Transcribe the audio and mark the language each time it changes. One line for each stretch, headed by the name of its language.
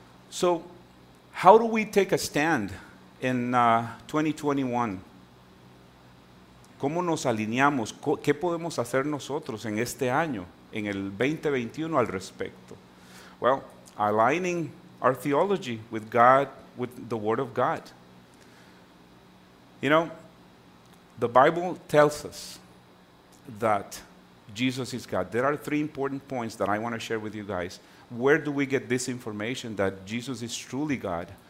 English: So, how do we take a stand in 2021?
Spanish: ¿Cómo nos alineamos? ¿Qué podemos hacer nosotros en este año, en el 2021 al respecto?
English: Well, aligning our theology with God, with the Word of God. You know, the Bible tells us that Jesus is God. There are three important points that I want to share with you guys. Where do we get this information that Jesus is truly God?